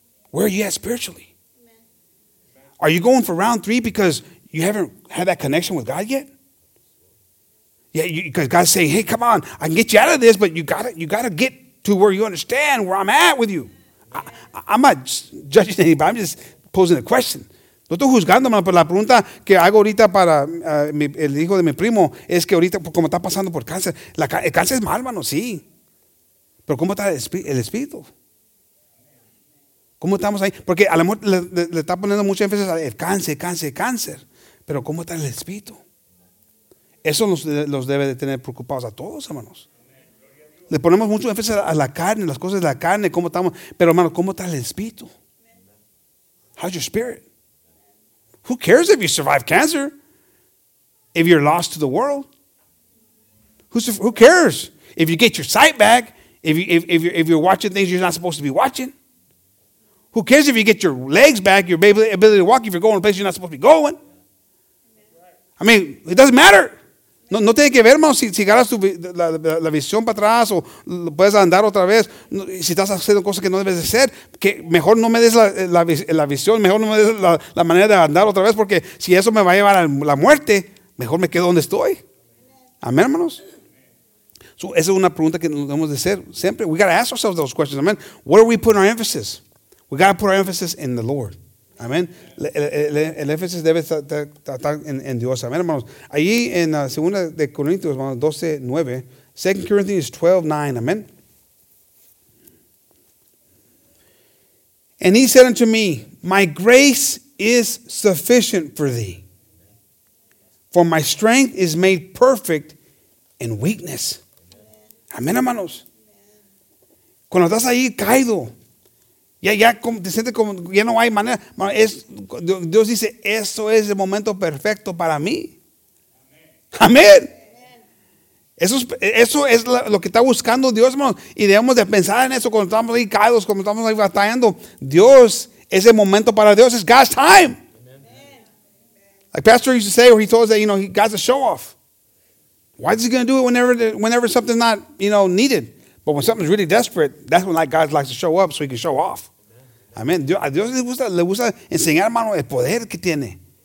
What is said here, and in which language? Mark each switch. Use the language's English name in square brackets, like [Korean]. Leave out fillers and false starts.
[English] Where are you at spiritually? Are you going for round three because you haven't had that connection with God yet? Yeah, because God's saying, hey, come on, I can get you out of this, but you gotta get to where you understand where I'm at with you. I'm not judging anybody, I'm just posing a question. [Spanish] No estoy juzgando, hermano, pero la pregunta que hago ahorita para el hijo de mi primo es que ahorita, como está pasando por cáncer, el cáncer es mal, hermano, sí. Pero ¿cómo está el espíritu? ¿Cómo estamos ahí? Porque a lo mejor le está poniendo mucho énfasis al cáncer. Pero ¿cómo está el espíritu? Eso los debe de tener preocupados a todos, hermanos. Le ponemos mucho énfasis a la carne, las cosas de la carne, cómo estamos. Pero hermanos, ¿cómo está el espíritu? [English] How's your spirit? Who cares if you survive cancer? If you're lost to the world? Who cares? If you get your sight back, if you're watching things you're not supposed to be watching? Who cares if you get your legs back, your ability to walk, if you're going to a place you're not supposed to be going? I mean, it doesn't matter. [Spanish] No, no tiene que ver, hermano, si agarras la visión para atrás o puedes andar otra vez. Si estás haciendo cosas que no debes de hacer, que mejor no me des la visión, mejor no me des la manera de andar otra vez, porque si eso me va a llevar a la muerte, mejor me quedo donde estoy. Amén, hermanos. So, esa es una pregunta que nos debemos de hacer siempre. [English] We got to ask ourselves those questions, amen. Where are we putting our emphasis? We got to put our emphasis in the Lord. [Spanish] Amén. El énfasis debe estar en Dios. Amén, hermanos. Allí en la segunda de Corintios, 12:9. 2 Corinthians 12:9. Amén. [English] And he said unto me, my grace is sufficient for thee. For my strength is made perfect in weakness. [Spanish] Amén, hermanos. Cuando estás ahí caído, ya te sientes como, ya no hay manera. Dios dice, eso es el momento perfecto para mí. Amén. Eso es lo que está buscando Dios, hermanos. Y debemos de pensar en eso cuando estamos ahí caídos, cuando estamos ahí batallando. Dios es el momento para Dios. [English] It's God's time. Like Pastor used to say, or he told us that, you know, God's a show off. Why is he going to do it whenever something's not, you know, needed? But when something's really desperate, that's when, like, God likes to show up so he can show off. Amen. [Spanish] A Dios le gusta enseñar, hermano, el poder que tiene.